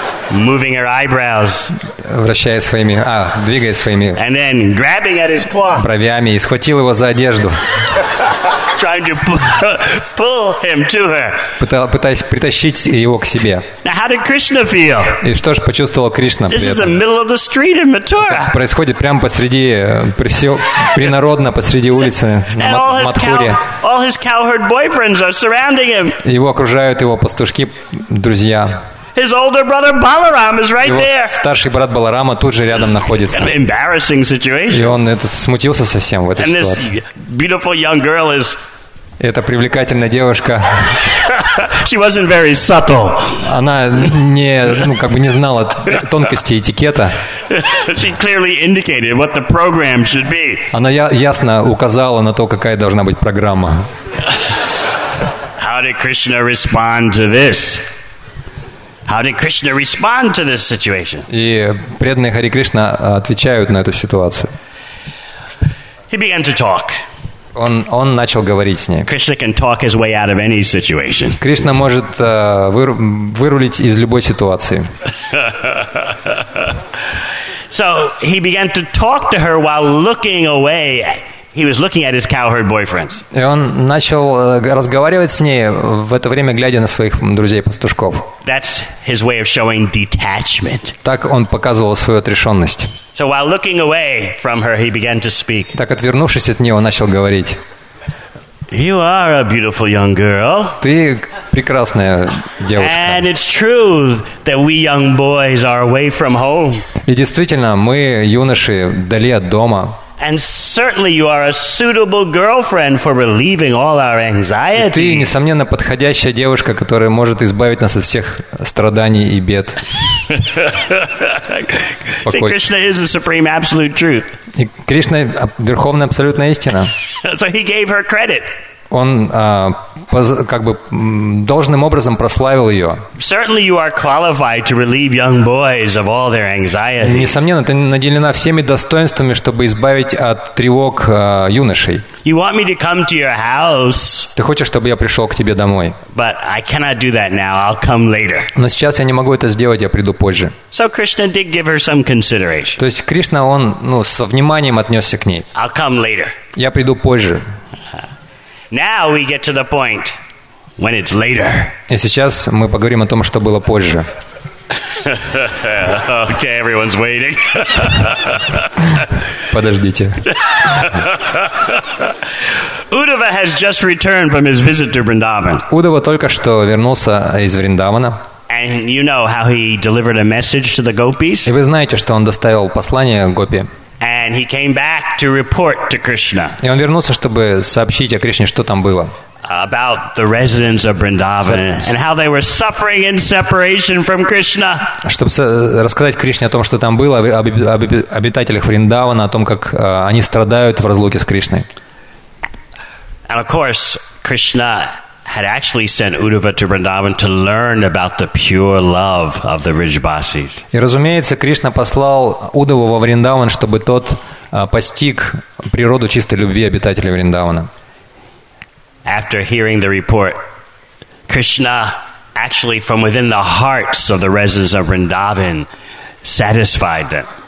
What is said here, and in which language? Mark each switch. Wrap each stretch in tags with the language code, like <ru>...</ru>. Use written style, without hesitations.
<en>Moving her eyebrows.</en> <ru>Вращая своими, двигая своими.</ru> <en>And then grabbing at his cloth.</en> <ru>Бровями и схватил его за одежду.</ru> <en>Trying to pull him to her.</en> <ru>Пытаясь притащить его к себе.</ru> <en>Now how did Krishna feel?</en> <ru>И что же почувствовал Кришна?</ru> <en>This is the middle of the street in Mathura.</en> <ru>Происходит прямо посреди, принародно посреди улицы на Матхуре.</ru> <en>All his cowherd boyfriends are surrounding him.</en> <ru>Его окружают его пастушки, друзья.</ru> <en>His older brother Balaram is right there.</en> <ru>Старший брат Баларама тут же рядом находится.</ru> <en>An embarrassing situation.</en> <ru>И он смутился совсем в этой</ru> <en>And</en> <ru>ситуации.</ru> <en>This beautiful young girl is.</en> <ru>Эта привлекательная девушка.</ru> <en>She wasn't very subtle.</en> <ru>Она не знала тонкости этикета.</ru> <en>She clearly indicated what the program should be.</en> <ru>Она ясно указала на то, какая должна быть программа.</ru> <en>How did Krishna respond to this? How did Krishna respond to this situation?</en> <ru>И преданные Хари Кришна отвечают на эту ситуацию.</ru> <en>He began to talk.</en> <ru>Он начал говорить с ней.</ru> <en>Krishna can talk his way out of any situation.</en> <ru>Кришна может вырулить из любой ситуации.</ru> <en>So he began to talk to her while looking away. He was looking at his cowherd boyfriends.</en> <ru>И он начал разговаривать с ней в это время, глядя на своих друзей пастушков.</ru> <en>That's his way of showing detachment.</en> <ru>Так он показывал свою отрешенность.</ru> <en>So while looking away from her, he began to speak.</en> <ru>Так, отвернувшись от нее, он начал говорить.</ru> <en>You are a beautiful young girl.</en> <ru>Ты прекрасная девушка.</ru> <en>And it's true that we young boys are away from home.</en> <ru>И действительно, мы юноши вдали от дома.</ru> <en>And certainly you are a suitable girlfriend for relieving all our anxiety.</en> <ru>Ты несомненно подходящая девушка, которая может избавить нас от всех страданий и бед.</ru> <en>See, Krishna is the supreme absolute truth.</en> <ru>И Кришна верховная абсолютная истина.</ru> <en>So he gave her credit.</en> <ru>он как бы должным образом прославил ее.</ru> <en>Certainly you are qualified to relieve young boys of all their anxiety.</en> <ru>Несомненно, ты наделена всеми достоинствами, чтобы избавить от тревог юношей.</ru> <en>You want me to come to your house.</en> <ru>Ты хочешь, чтобы я пришел к тебе домой.</ru> <en>But I cannot do that now. I'll come later.</en> <ru>Но сейчас я не могу это сделать, я приду позже.</ru> <en>So Krishna did give her some consideration.</en> <ru>То есть Кришна, он, ну, со вниманием отнесся к ней.</ru> <en>I'll come later.</en> <ru>Я приду позже.</ru> <en>Now we get to the point when it's later.</en> <ru>И сейчас мы поговорим о том, что было позже.</ru> <en>Okay, everyone's waiting.</en> <ru>Подождите.</ru> <en>Uddhava has just returned from his visit to Vrindavan.</en> <ru>Уддхава только что вернулся из Вриндавана.</ru> <en>And you know how he delivered a message to the gopis?</en> <ru>И вы знаете, что он доставил послание гопи.</ru> <en>And he came back to report to Krishna.</en> <ru>И он вернулся, чтобы сообщить о Кришне, что там было.</ru> <en>About the residents of Vrindavan and how they were suffering in separation from Krishna.</en> <ru>Чтобы рассказать Кришне о том, что там было, об обитателях Вриндавана, о том, как они страдают в разлуке с Кришной.</ru> <en>And of course, Krishna had actually sent Uddhava to Vrindavan to learn about the pure love of the Vrijvasis.</en> <ru>И разумеется, Кришна послал Уддхаву во Вриндаван, чтобы тот постиг природу чистой любви обитателей Вриндавана.</ru> <en>After hearing the report, Krishna actually from within the hearts of the residents of Vrindavan satisfied them.</en>